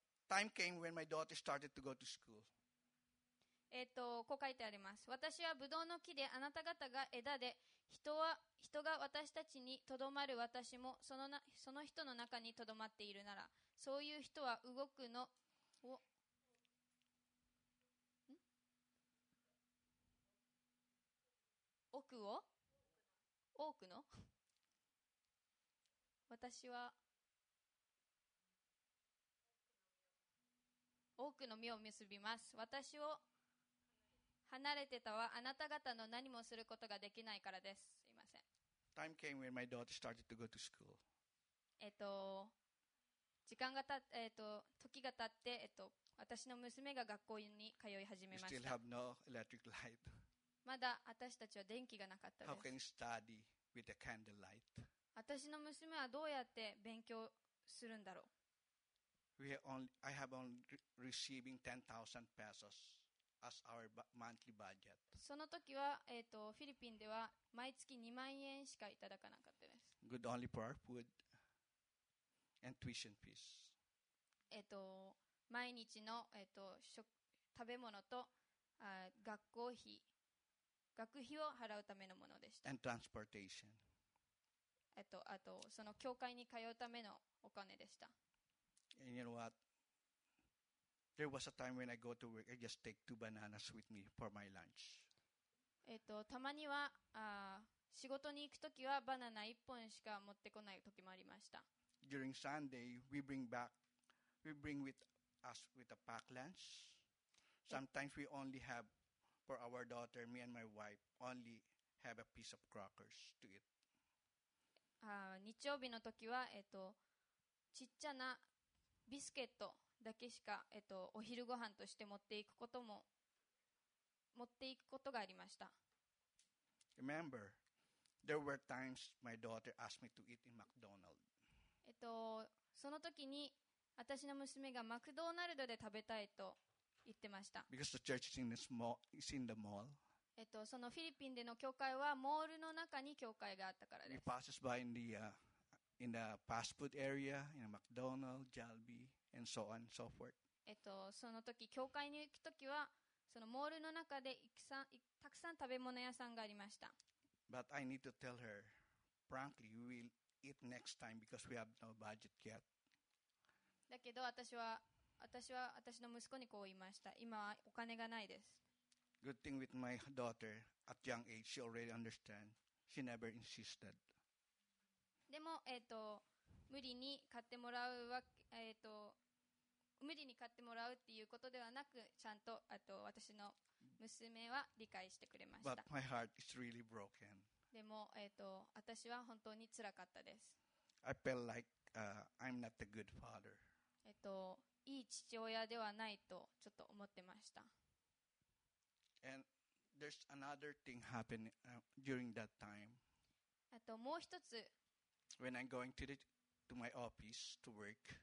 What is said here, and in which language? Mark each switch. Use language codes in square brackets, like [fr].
[en] Time came when my daughter started to go to school. [ja] こう書いてあります。私はブドウの木であなた方が枝で人が私たちにとどまる私もその人の中にとどまっているならそういう人は動くのをん奥を多くの私は多くの実を結びます。私を離れてたはあなた方の何もすることができないからです。すいません。 [en] Time came when my daughter started to go to school. [ja] 時間がた、時が経って、私の娘が学校に通い始めました。 [en] We still have no electric light. [ja] まだ私たちは電気がなかったです。 [en] How can you study with a candlelight? [ja] 私の娘はどうやって勉強するんだろう。 [en] I have only receiving 10,000 pesos. As our monthly budget. [ja] その時は、フィリピンでは毎月2万円しかいただかなかったです。 [en] Good only for our food and tuition fees. [ja] 毎日の、食べ物と学校費、学費を払うためのものでした。 [en] And transportation. [ja] あとその教会に通うためのお金でした。 [en] And you know what? There was a time when I go to work, I just take two bananas with me for my lunch. [ja] たまには仕事に行くときはバナナ1本しか持ってこないときもありました。 [en] During Sunday, we bring with us with a packed lunch. Sometimes we only have, for our daughter, me and my wife, only have a piece of crackers to eat. [ja] 日曜日のときは、ちっちゃなビスケットだけしか、お昼ご飯として持っていくことがありました。 [en] Remember, there were times my daughter asked me to eat in McDonald's. [ja] その時に私の娘がマクドナルドで食べたいと言ってました。 [en] Because the church is in the small, is in the mall. [ja] そのフィリピンでの教会はモールの中に教会があったからです。 [en] We passed by in the fast food area, in a McDonald's, Jalbi, and so on and so forth. [ja] その時教会に行く時はそのモールの中でたくさん食べ物屋さんがありました。 [en] But I need to tell her, frankly, we will eat next time because we have no budget yet. [ja] だけど私は私の息子にこう言いました。今はお金がないです。 [en] Good thing with my daughter, at young age, she already understand. She never insisted. [ja] でも、無理に買ってもらうわけ、無理に買ってもらうっていうことではなく、ちゃんと、私の娘は理解してくれました。 [en] But my heart is really broken. [ja] でも、私は本当につらかったです。 [en] I felt like, I'm not a good father. [ja] いい父親ではないとちょっと思ってました。 [en] And there's another thing happening, during that time. [ja] あともう一つ。 [en] When I'm going to, to my office to work.